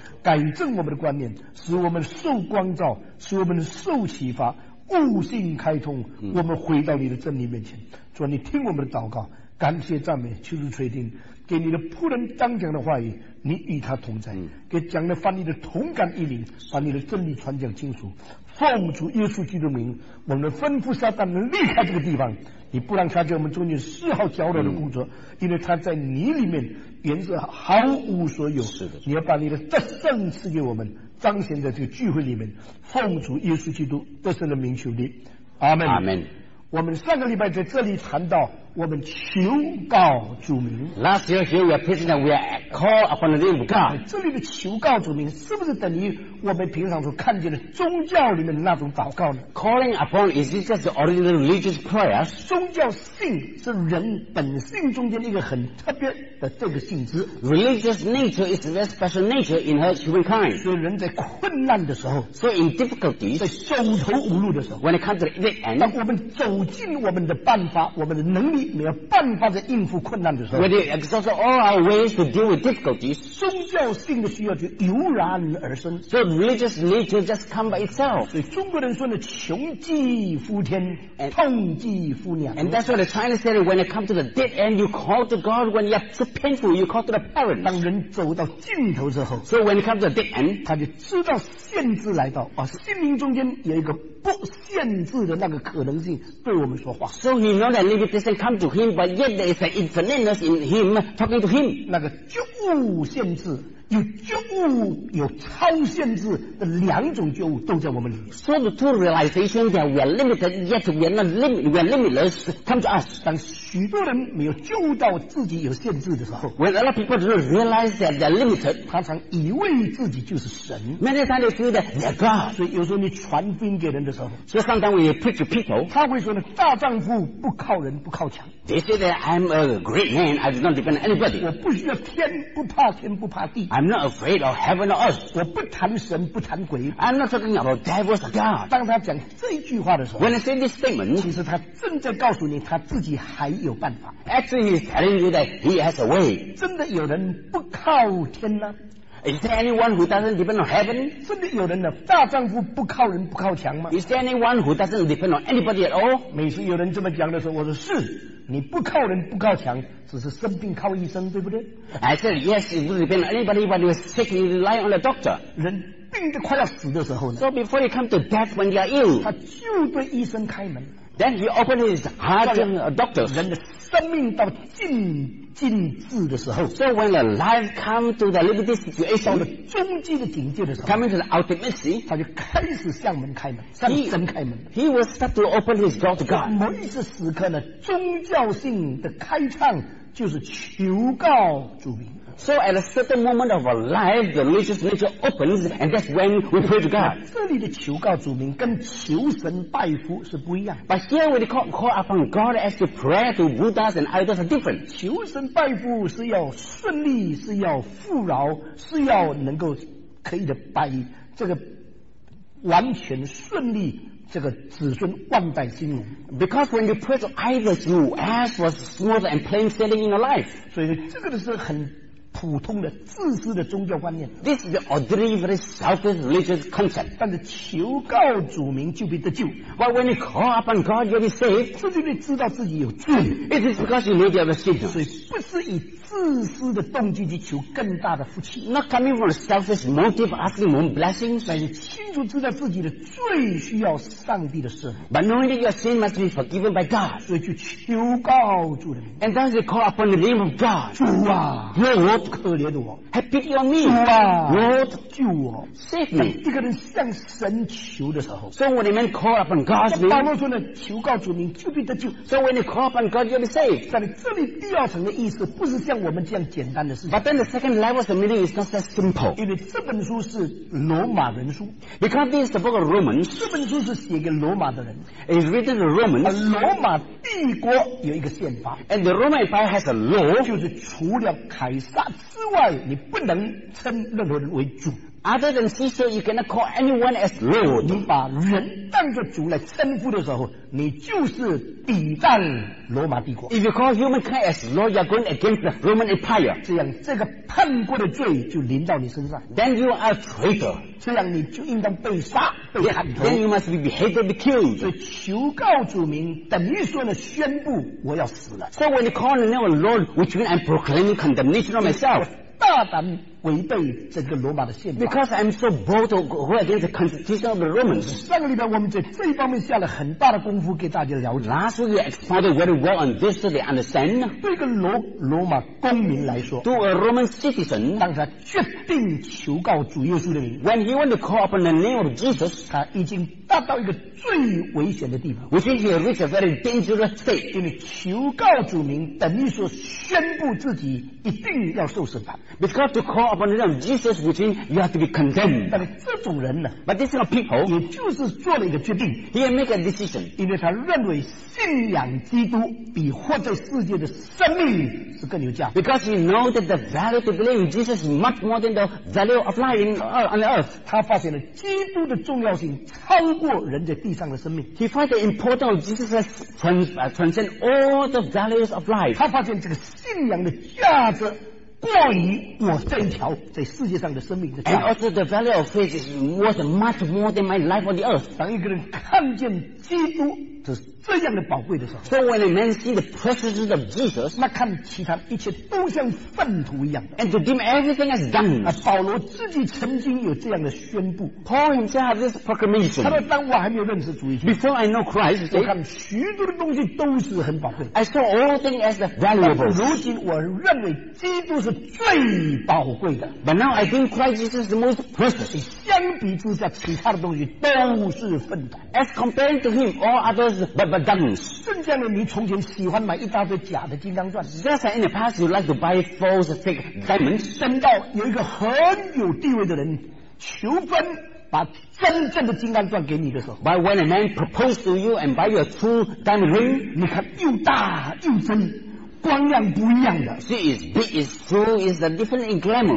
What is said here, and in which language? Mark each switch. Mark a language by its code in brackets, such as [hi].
[zh] 改正我们的观念使我们受光照使我们受启发悟性开通我们回到你的真理面前主啊你听我们的祷告感谢赞美求主垂听给你的仆人当讲的话语你与他同在给讲的翻译的同感一灵把你的真理传讲清楚奉主耶稣基督名我们吩咐撒旦能离开这个地方你不让他在我们中间丝毫搅扰的工作因为他在你里面原则毫无所有是的你要把你的得胜赐给我们彰显在这个聚会里面奉主耶稣基督得胜的名求你阿们阿们我们上个礼拜在这里谈到我们求告主名 [en] Last year here we are preaching that we are called upon the name of God [zh] 这里的求告主名是不是等于我们平常所看见的宗教里面的那种祷告呢 [en] Calling upon is this just the original religious prayer [zh] 宗教性是人本性中间的一个很特别的这个性质 [en] Religious nature is the special nature in her humankind [zh] 所以人在困难的时候 [en] So in difficulties [zh] 在走投无路的时候 [en] When it comes to the end [zh] 当我们走进我们的办法我们的能力你没有办法在应付困难的时候 [en] When you exhaust all our ways to deal with difficulties [zh] 宗教性的需要就油然而生 [en] So religious nature just comes by itself [zh] 所以中国人说呢穷极乎天痛极乎娘 [en] And that's what the Chinese said when it comes to the dead end you call to God when you are so painful you call to the parents [zh] 当人走到尽头之后 [en] So when it comes to the dead end [zh] 他就知道限制来到、啊、心灵中间有一个不限制的那个可能性对我们说话 [en] So he knows that limitation come to him but yet there is an infiniteness in him talking to him [zh] 那个就物限制有觉悟，有超限制的两种觉悟都在我们里面。 [en] So the two realizations that we are limited, yet we are not limitless, come to us. [zh] 当许多人没有觉悟到自己有限制的时候 [en] ，When a lot of people do not realize that they are limited, [zh] 他常以为自己就是神。 [en] Many times they feel that they are God. [zh] 所以有时候你传福音给人的时候 [en] ，So sometimes when you preach to people, [zh] 他会说呢，大丈夫不靠人，不靠墙。 [en] They say that I'm a great man. I do not depend on anybody. [zh] 我不需要天，不怕天，不怕地。 [en] I'm not afraid of heaven or earth. [zh] 我不谈神，不谈鬼。 [en] I'm not talking about devils or God. [zh] 当他讲这句话的时候 [en] ，When I say this statement, [zh] 其实他正在告诉你他自己还有办法。 [en] Actually, he's telling you that he has a way. [zh] 真的有人不靠天吗？ [en] Is there anyone who doesn't depend on heaven? [zh] 真的有人呢，大丈夫不靠人不靠墙吗 [en] ？Is there anyone who doesn't depend on anybody at all? [zh] 每次有人这么讲的时候，我说是，你不靠人不靠墙，只是生病靠医生，对不对 [en] ？I said yes, you don't depend on anybody, but you're sick, you rely on the doctor. [zh] 人病得快要死的时候呢 [en] ？So before you come to death when you're ill, [zh] 他就对医生开门。 [en] Then he opened his heart to a doctor. [zh] 人的生命到尽。尽致的时候 [en] ，So when the life come to the limited situation， [zh] 到了终极的境界的时候 [en] ，coming to the ultimacy， [zh] 他就开始向门开门，向神开门。 [en] He will start to open his door to God。 [zh] 某一次时刻呢，宗教性的开唱就是求告主名。 [en] So at a certain moment of our life, the religious nature opens, and that's when we pray to God. [zh] 这里的求告主名跟求神拜佛是不一样。 [en] But here, when you call upon God as to pray to Buddhas and idols are different. [zh] 求神拜佛是要顺利，是要富饶，是要能够可以的拜这个完全顺利。这个子孙万代兴隆 [en] Because when you pray to idols, you ask for smooth and plain sailing in your life. [zh] 所以这个是很普通的自私的宗教观念 [en] This is the ordinary, very selfish religious concept. [zh] 但是求告主名就必得救 [en] But when you call upon God, you'll be saved. [zh] 这就是知道自己有罪 [en] It is because you need to have a sin. [zh] 所以不是以自私的动机去求更大的福气 [en] Not coming from a selfish motive asking for blessings. [zh] 乃是清楚知道自己的罪需要上帝的赦免 [en] But knowing that your sin must be forgiven by God. [zh] 所以就求告主的名 [en] And then you call upon the name of God. [zh] 主啊 [en] Lord. [zh] 可怜的我 [en] Have pity on me Lord [zh] 救我 [en] Save me [zh] 一个人向神求的时候 [en] So when a man call upon God's name [zh] 保罗说呢求告主名就必得救 [en] So when you call upon God you'll be saved [zh] 但这里第二层的意思不是像我们这样简单的事情 [en] But then the second level of the meaning is not that simple [zh] 因为这本书是罗马人书 [en] Because this is the book of Romans [zh] 这本书是写给罗马的人 [en] It's written to Romans [zh] 罗马帝国有一个宪法 [en] And the Roman Empire has a law [zh] 就是除了凯撒之外你不能称任何人为主 [en] Other than Caesar you cannot call anyone as Lord [zh] 你把人当作主来称呼的时候你就是抵挡罗马帝国 [en] If you call humankind as Lord you are going against the Roman Empire [zh] 这样这个叛国的罪就临到你身上 [en] Then you are a traitor [zh] 这样你就应当被杀被砍头 [en] Then you must be beheaded be killed [zh] 所以求告主名等于说呢宣布我要死了 [en] So when you call the name of Lord which means I'm proclaiming condemnation of myself [zh] 大胆违背整个罗马的宪法 [en] Because I'm so bold to go against the constitution of the Romans [zh] 上个礼拜我们在这一方面下了很大的功夫给大家了解 [en] Last week you expounded very well on this so they understand [zh] 对一个罗马公民来说 [en] To a Roman citizen [zh] 当他决定求告主耶稣的名 [en] When he wanted to call upon the name of Jesus [zh] 他已经达到一个最危险的地方 [en] Which means he reached a very dangerous state [zh] 因为求告主名等于说宣布自己一定要受审判 [en] Because to call upon the name of Jesus which means you have to be condemned [zh] 但是这种人呢 [en] but this kind of people [zh] 也就是做了一个决定 [en] he made a decision [zh] 因为他认为信仰基督比活在世界的生命是更有价 [en] because he know that the value to believe in Jesus is much more than the value of life on the earth [zh] 他发现了基督的重要性超过人在地上的生命 [en] he find the importance of Jesus has transcend all the values of life [zh] 他发现这个信仰的价值过于我这一条在世界上的生命的 [en] And also the value of faith is worth much more than my life on the earth [zh] 当一个人看见基督这是这样的宝贵的时候。 [en] So when a man sees the precious of Jesus, [zh] 那看其他一切都像粪土一样的。 [en] And to deem everything as dung. [zh] 啊，保罗自己曾经有这样的宣布。 [en] Paul himself has this proclamation. [zh] 他说：“当我还没有认识主以前 [en] ，Before I know Christ, [zh] 我看许多的东西都是很宝贵。 [en] I saw all things as valuable. [zh] 如今我认为基督是最宝贵的。 [en] But now I think Christ is the most precious. [zh] 相比之下，其他的东西都是粪土。 [en] As compared to him, all others. But dungs. [zh] 甚至你从前喜欢买一大堆假的金刚钻。 [en] Just in the past, you like to buy false fake diamonds. [zh] 等到有一个很有地位的人求婚，把真正的金刚钻给你的时候。 [en] But when a man proposes to you and buy you a true diamond ring, [zh] 你看又大又真。光亮不一样的 [en] See, it's big, it's true, it's a different in glamour.